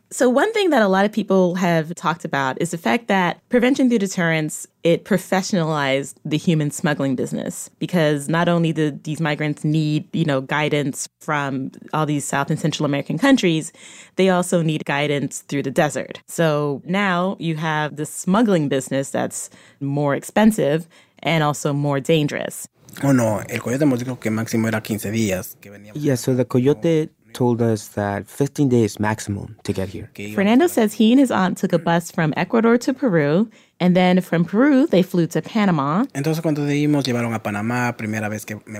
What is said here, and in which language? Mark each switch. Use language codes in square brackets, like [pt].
[en] So one thing that a lot of people have talked about is the fact that prevention through deterrence, it professionalized the human smuggling business because not only did these migrants need, you know, guidance from all these South and Central American countries, they also need guidance through the desert. So now you have the smuggling business that's more expensive and also more dangerous. Oh, no. [es] El coyote nos dijo que máximo era 15 días. [en] Yeah, so the coyote told us that 15 days maximum to get here. Fernando says he and his aunt took a bus from Ecuador to Peru, and then from Peru, they flew to Panama. [es] Entonces, cuando dimos, llevaron a Panamá, primera vez que me